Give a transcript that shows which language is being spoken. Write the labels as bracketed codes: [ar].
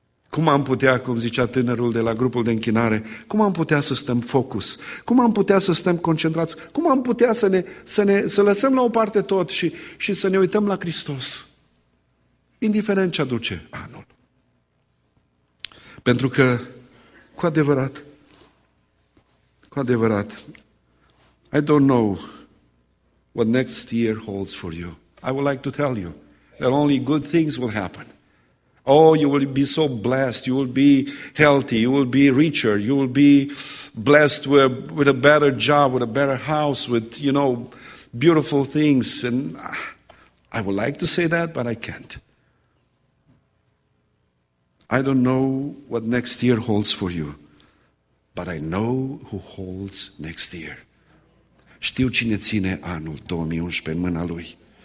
[ro] Cum am putea, cum zicea tânărul de la grupul de închinare, cum am putea să stăm focus? Cum am putea să stăm concentrați? Cum am putea să lăsăm la o parte tot și să ne uităm la Hristos? Indiferent ce aduce anul. Pentru că, cu adevărat, [en] I don't know what next year holds for you. I would like to tell you that only good things will happen. Oh, you will be so blessed, you will be healthy, you will be richer, you will be blessed with a better job, with a better house, with, you know, beautiful things. And I would like to say that, but I can't. I don't know what next year holds for you, but I know who holds next year. [ro] Știu cine ține anul 2011 în mâna Lui.